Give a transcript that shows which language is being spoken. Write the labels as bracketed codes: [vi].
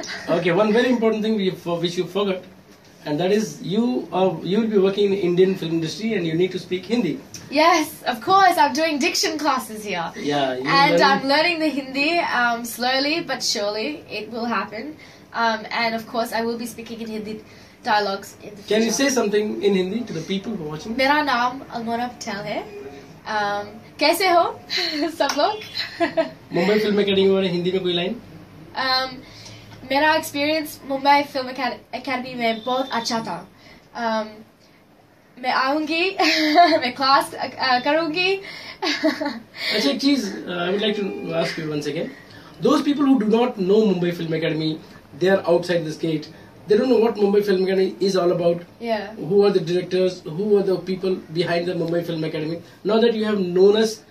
[en] Okay, one very important thing which you forgot, and that is you will be working in the Indian film industry and you need to speak Hindi. Yes, of course, I'm doing diction classes here. Yeah, and learning. I'm learning the Hindi slowly but surely, it will happen. And of course, I will be speaking in Hindi dialogues in the future. Can you say something in Hindi to the people who are watching? [hi] मेरा नाम अलमोना पटेल है. कैसे हो, सब लोग? Mumbai Film Academy wale Hindi mein koi line? मेरा experience Mumbai film academy में बहुत अच्छा था. मैं आऊँगी, मैं क्लास करूँगी. Acha, ek cheez, [en] I would like to ask you once again. Those people who do not know Mumbai Film Academy, they are outside this gate. They don't know what Mumbai Film Academy is all about. Yeah. Who are the directors? Who are the people behind the Mumbai Film Academy? Now that you have known us,